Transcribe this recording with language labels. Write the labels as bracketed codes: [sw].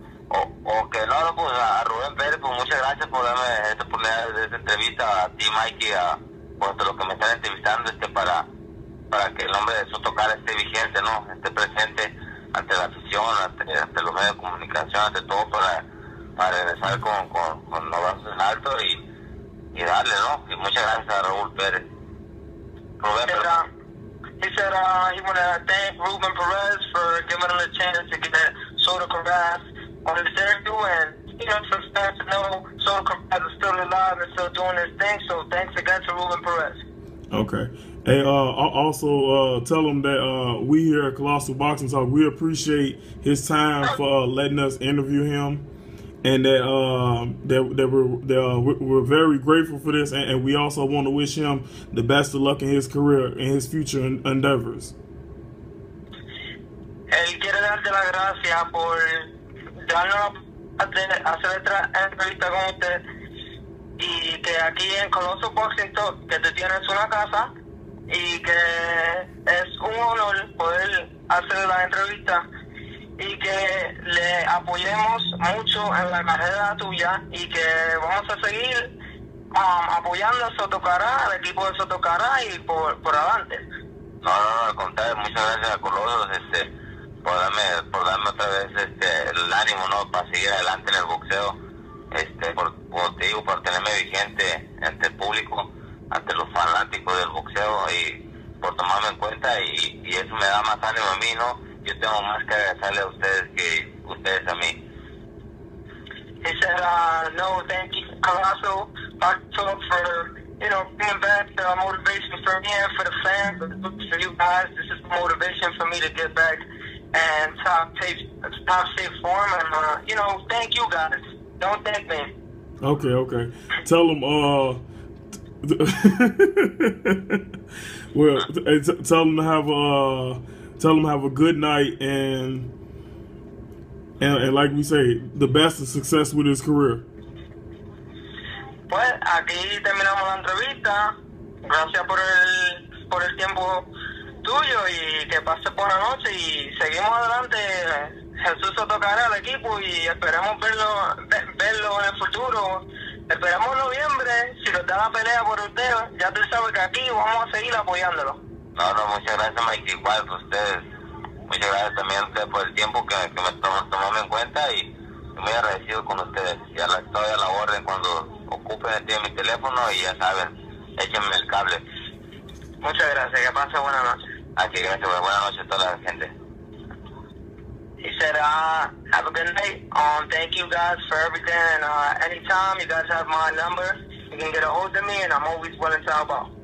[es] Okay, no, pues a Ruben Perez, pues muchas gracias por darme esta oportunidad de esta entrevista a ti, Mikey, a pues, los que me están entrevistando, para que el nombre de Soto Caras esté vigente, ¿no? Esté presente ante la afición, ante los medios de comunicación, ante todo, para regresar con los brazos en alto y darle, ¿no? Y muchas gracias a Raúl Pérez. [en] He said he wanted to thank Ruben Perez for giving him a chance to get Soto Caras on his interview, and you know, for fans to know Soto Caras is still alive and still doing his thing, so thanks again to Ruben Perez. Okay. Hey, also tell him that we here at Colossal Boxing Talk, we appreciate his time for letting us interview him, and that we're very grateful for this, and we also want to wish him the best of luck in his career and his future endeavors. [es] Él quiere darte la gracia por darnos hacer otra entrevista con usted, y que aquí en Colossal Boxing Talk, que te tienes una casa, y que es un honor poder hacer la entrevista y que le apoyemos mucho en la carrera tuya y que vamos a seguir apoyando a Soto Caras, al equipo de Soto Caras y por adelante. No, al contrario, muchas gracias a Colosos por darme otra vez el ánimo, ¿no?, para seguir adelante en el boxeo, por te digo, por tenerme vigente ante el público, ante los fanáticos del boxeo, y por tomarme en cuenta, y eso me da más ánimo a mí, ¿no? Yo tengo más que agradecerle a ustedes que ustedes a mí. [en] He said, no, thank you, Colossal Boxing Talk, for, you know, being back, the motivation for me and for the fans, for you guys, this is the motivation for me to get back and top shape form, and, you know, thank you guys. Don't thank me. Okay. Tell them, Well, tell them have a good night, and like we say, the best of success with his career. [es] Pues aquí terminamos la entrevista. Gracias por el tiempo tuyo y que pase por la noche y seguimos adelante. Jesús se tocará al equipo y esperamos verlo en el futuro. Esperamos noviembre, si nos da la pelea por usted, ya tú sabes que aquí vamos a seguir apoyándolo. No, muchas gracias, Mike, igual por ustedes. Muchas gracias también a usted por el tiempo que me tomaron en cuenta y muy agradecido con ustedes. Ya estoy a la orden cuando ocupen el tiempo mi teléfono y ya saben, échenme el cable. Muchas gracias, que pase buena noche. Aquí, gracias, buena noche a toda la gente. [en] He said, have a good night. Thank you guys for everything. And anytime you guys have my number, you can get a hold of me, and I'm always willing to help out.